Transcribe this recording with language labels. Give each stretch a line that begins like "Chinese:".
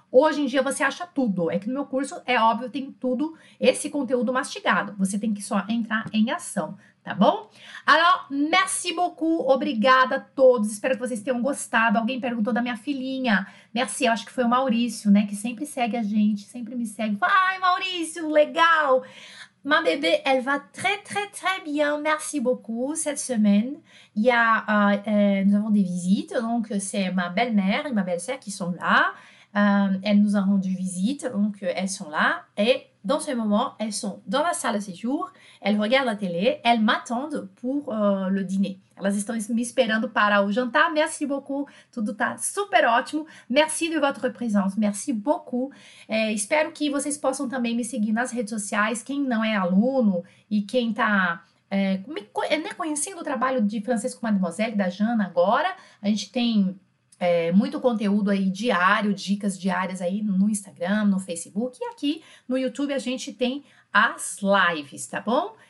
Portuguese: Hoje em dia você acha tudo. É que no meu curso, é óbvio, tem tudo esse conteúdo mastigado. Você tem que só entrar em ação, tá bom?
French: Alors, merci beaucoup.
Portuguese: Obrigada a todos. Espero que vocês tenham gostado. Alguém perguntou da minha filhinha.
French: Merci,
Portuguese: eu acho que foi o Maurício, né? Que sempre segue a gente, sempre me segue. Ai, Maurício, legal!
French: Ma bébé, elle va très très très bien. Merci beaucoup. Cette semaine, nous avons des visites. Donc, c'est ma belle-mère et ma belle-sœur qui sont là. Elles nous ont rendu visite, donc elles sont là. Et dans ce moment, elles sont dans la salle de séjour, elles regardent la télé, elles m'attendent pour le dîner. Elles
Portuguese: estão me esperando para o jantar.
French: Merci beaucoup,
Portuguese: tudo tá super ótimo.
French: Merci de votre présence, merci beaucoup.
Portuguese: Espero que vocês possam também me seguir nas redes sociais. Quem não é aluno e quem tá conhecendo o trabalho de Francesco Mademoiselle, da Jana agora, a gente tem. Muito conteúdo aí diário, dicas diárias aí no Instagram, no Facebook e aqui no YouTube a gente tem as lives, tá bom?